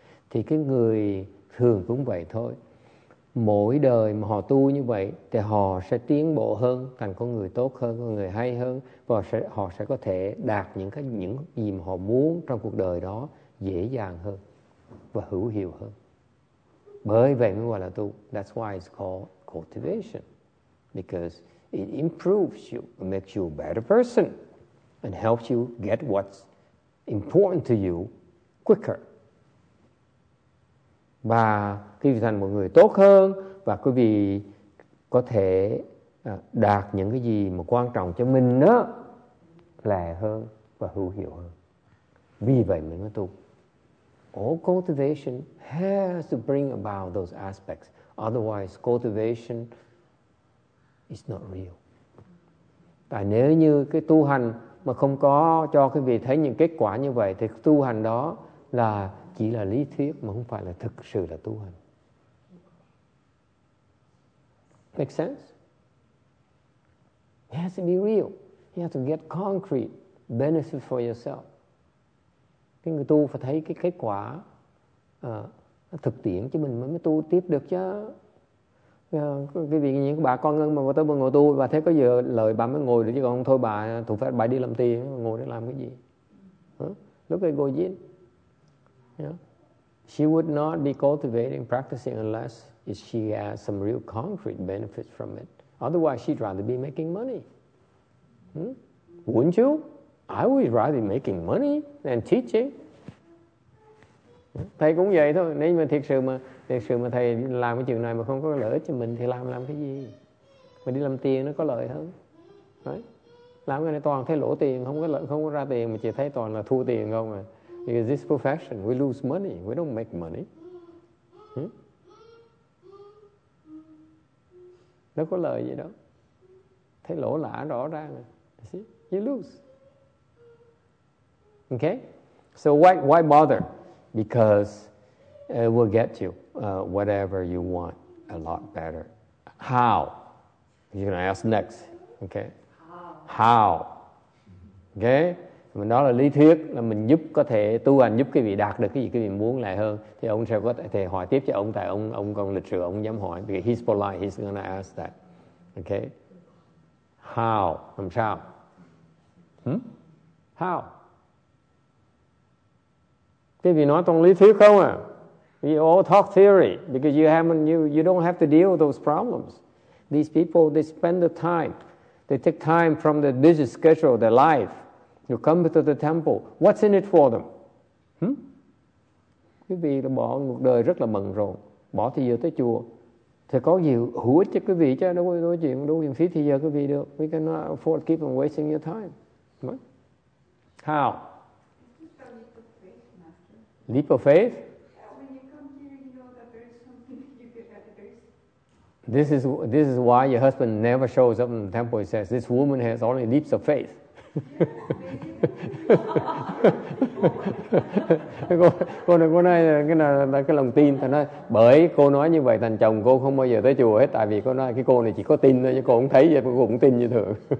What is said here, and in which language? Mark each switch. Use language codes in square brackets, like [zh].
[vi] Thì cái người thường cũng vậy thôi. Mỗi đời mà họ tu như vậy, thì họ sẽ tiến bộ hơn, thành con người tốt hơn, con người hay hơn, và họ sẽ có thể đạt những gì mà họ muốn trong cuộc đời đó dễ dàng hơn và hữu hiệu hơn. Bởi vậy mới gọi là tu. [en] That's why it's called cultivation. Because it improves you, it makes you a better person, and helps you get what's important to you quicker. [vi] và quý vị thành một người tốt hơn, và quý vị có thể đạt những cái gì mà quan trọng cho mình đó, lẹ hơn và hữu hiệu hơn. Vì vậy mình mới tu. [en] All cultivation has to bring about those aspects. Otherwise, cultivation is not real. [vi] Tại nếu như cái tu hành mà không có cho quý vị thấy những kết quả như vậy, thì tu hành đó là chỉ là lý thuyết mà không phải là thực sự là tu hành. [en] Make sense? It has to be real. You have to get concrete benefit for yourself. [vi] Cái người tu phải thấy cái kết quả thực tiễn cho mình mới tu tiếp được chứ. Cái vì những bà con ngân mà tới ngồi tu, bà thấy có giờ lời bà mới ngồi được, chứ còn thôi bà thủ phép bà đi làm tiền, ngồi để làm cái gì? Lúc ấy ngồi diễn. [en] She would not be cultivating, practicing unless if she has some real concrete benefits from it. Otherwise, she'd rather be making money. Wouldn't you? I would rather be making money than teaching. [vi] Thầy cũng vậy thôi. Nếu mà thiệt sự mà thầy làm cái chuyện này mà không có lợi cho mình thì làm cái gì? Mà đi làm tiền nó có lợi hơn. Đấy. Làm cái này toàn thấy lỗ tiền, không có lợi, không có ra tiền, mà chỉ thấy toàn là thu tiền không à. [en] Because this profession, we lose money, we don't make money. [vi] Nó có lợi gì đâu. Thấy lỗ lã rõ ràng. [en] See? You lose. Okay? So why bother? Because it will get you whatever you want a lot better. How? You're going to ask next. Okay? How? Okay? [vi] Mình nói là lý thuyết là mình giúp có thể tu hành giúp quý vị đạt được cái gì quý vị muốn lại hơn. Thì ông sẽ có thể hỏi tiếp cho ông, tại ông còn lịch sự, ông dám hỏi. [en] Because he's polite, he's going to ask that. Okay? How? [vi] Làm sao? [en] How? [vi] Quý vị nói toàn lý thuyết không à? [en] We all talk theory because you don't have to deal with those problems. These people, they spend the time. They take time from their busy schedule, their life. You come to the temple. What's in it for them? [vi] Quý vị bỏ một đời rất là bận rộn, bỏ thời giờ tới chùa. Thì có gì hữu ích cho quý vị chứ? Đâu có nói chuyện, đâu có phí thời giờ quý vị được. [en] We cannot afford to keep on wasting your time. What? How? Leap of faith? When you come here, you know that there is something you can have to do. This is why your husband never shows up in the temple. He says, this woman has only leaps of faith. [vi] cô nói cái lòng tin, thì nói bởi cô nói như vậy thành chồng cô không bao giờ tới chùa hết, tại vì cô nói cái cô này chỉ có tin thôi chứ cô không thấy gì, cô cũng tin như thường.